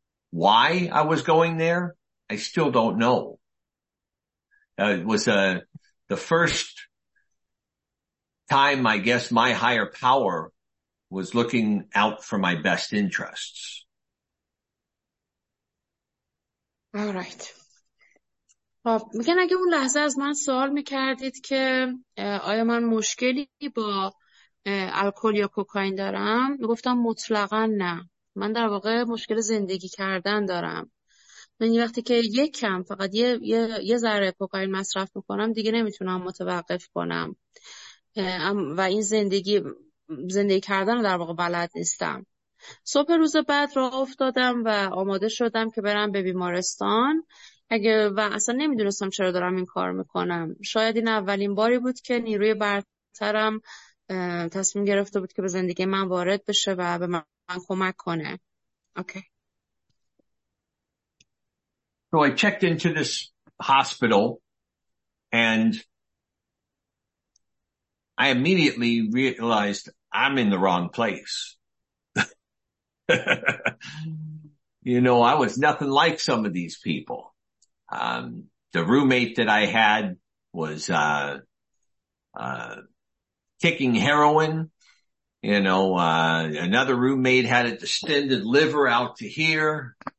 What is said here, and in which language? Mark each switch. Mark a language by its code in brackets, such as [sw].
[en] Why I was going there, I still don't know. It was the first time, I guess, my higher power was looking out for my best interests. All right. [fa] میگن اگه اون لحظه از من سوال میکردید که آیا من مشکلی با الکل یا کوکائین دارم، گفتم مطلقا نه. من در واقع مشکل زندگی کردن دارم. من وقتی که یک کم فقط یه ذره کوکائین مصرف میکنم دیگه نمیتونم متوقف کنم و این زندگی کردن رو در واقع بلد نیستم. صبح روز بعد راه افتادم و آماده شدم که برم به بیمارستان. اگه و اصلا نمیدونستم چرا دارم این کار میکنم. شاید این اولین باری بود که نیروی برترم تصمیم گرفته بود که به زندگی من وارد بشه و به من کمک کنه. [en] Okay. So I checked into this hospital and I immediately realized I'm in the wrong place. You know, I was nothing like some of these people. The roommate that I had was kicking heroin, you know, another roommate had a distended liver out to here.